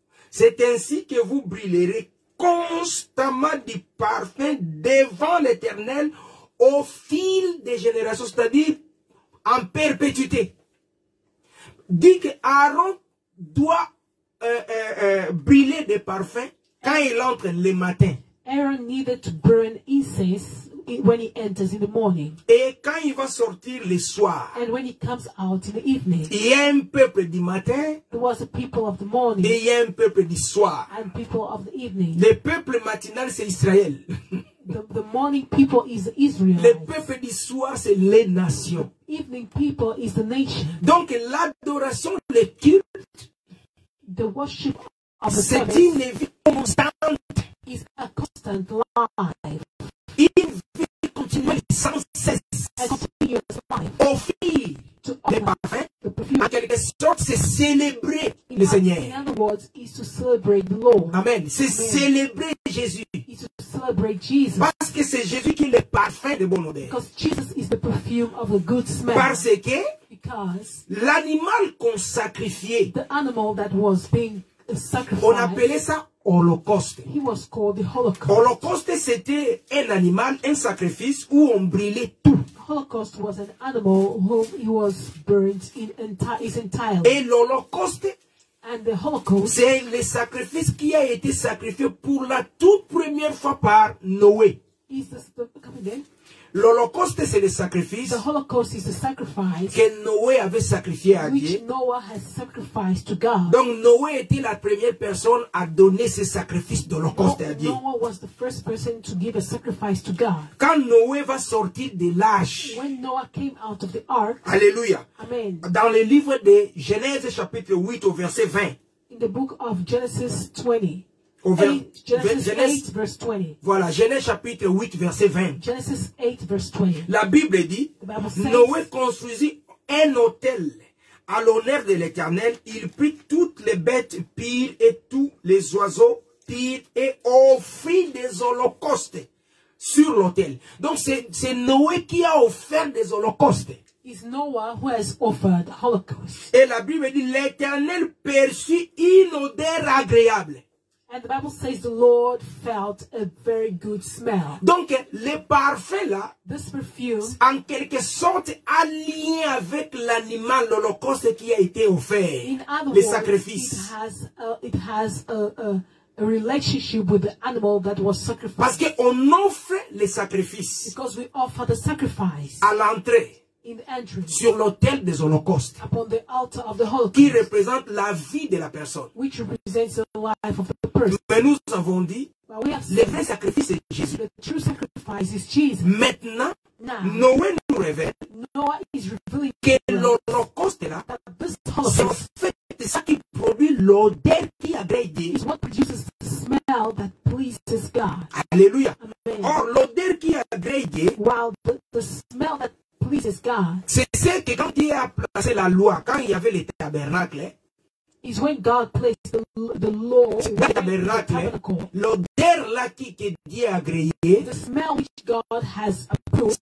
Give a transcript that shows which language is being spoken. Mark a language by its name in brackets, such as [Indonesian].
[French] C'est ainsi que vous brûlerez constamment du parfum devant l'Éternel au fil des générations, c'est-à-dire en perpétuité. Dit que Aaron doit brûler des parfums quand il entre le matin. [English] Aaron needed to burn incense when he enters in the morning. [French] Et quand il va sortir le soir. [English] And when he comes out in the evening. [French] Il y a un peuple du matin. [English] There was a people of the morning. [French] Et il y a un peuple du soir. [English] And people of the evening. [French] Le peuple matinal c'est Israël. [English] The morning people is Israel. [French] Le peuple du soir c'est les nations. [English] Evening people is the nation. [French] Donc l'adoration, le culte, [English] the worship of the [French] c'est [English] service, [French] une vie constante. [English] Is a constant life. [French] Une vie continuelle sans cesse. [English] A continuous life. [French] Offrir les parfums. En quelque sorte, c'est célébrer [English] in [French] le Seigneur. [English] In other words, is to celebrate the Lord. [French] Amen. C'est Amen. Célébrer Jésus. [English] Is to celebrate Jesus. [French] Parce que c'est Jésus qui est le parfum de bonne odeur. [English] Because Jesus is the perfume of a good smell. [French] Parce que [English] because [French] l'animal qu'on sacrifiait, [English] the animal that was being sacrificed, [French] on appelait ça holocauste. [English] He was called the Holocaust. [French] Holocauste, c'était un animal, un sacrifice où on brûlait tout. [English] Holocaust was an animal whom he was burnt in its entire. [French] Et l'holocauste, [English] and the Holocaust, [French] c'est le sacrifice qui a été sacrifié pour la toute première fois par Noé. [English] Is this the, come again? [French] L'holocauste, c'est le sacrifice, [English] the Holocaust is the sacrifice [French] que Noé avait sacrifié à [English] which [French] Dieu. [English] Noah has sacrificed to God. [French] Donc Noé était la première personne à donner ce sacrifice d'holocauste à Dieu. [English] Noah was the first person to give a sacrifice to God. [French] Quand Noé va sortir de l'arche, [English] when Noah came out of the ark, [French] alléluia, [English] amen. [French] Dans le livre de Genèse chapitre 8 au verset 20, [English] in the book of Genesis 20, [French] Genèse 8, verset 20. Voilà, Genèse chapitre 8, verset 20. [English] Genesis 8, verse 20. [French] La Bible dit, [English] the Bible says, [French] Noé construisit un autel à l'honneur de l'Éternel. Il prit toutes les bêtes pures et tous les oiseaux pires et offrit des holocaustes sur l'autel. Donc c'est Noé qui a offert des holocaustes. [English] is Noah who has offered holocaust. [French] Et la Bible dit l'Éternel perçut une odeur agréable. [English] And the Bible says the Lord felt a very good smell. [French] Donc le parfum là, [English] this perfume, [French] en quelque sorte aligné avec l'animal, l'holocauste qui a été offert, le sacrifice. [English] It has a relationship with the animal that was sacrificed. [French] Parce que on offre les sacrifices. [English] Because we offer the sacrifice. [French] À l'entrée. [English] In entry, [French] sur l'autel des holocaustes, [English] upon the altar of the holocaust, [French] qui représente la vie de la personne. [English] Which represents the life of the person. [French] Mais nous avons dit, [English] well, we [French] le vrai sacrifice est Jésus. [English] The true sacrifice is Jesus. [French] Maintenant, [English] now, [French] Noé nous révèle [English] Noah is revealing [French] que l'holocauste là, c'est en fait ça qui produit l'odeur qui agrée Dieu. [English] Is what produces the smell that pleases God. [French] Alléluia. [English] Amen. [French] Or, l'odeur qui agrée Dieu, [English] while the smell that pleases God, [French] c'est ce que quand Dieu a placé la loi, quand il y avait les tabernacles, [English] is when God placed the law, [French] le tabernacle, [English] the tabernacle, [French] l'odeur là que Dieu a agréé, [English] the smell which God has approved,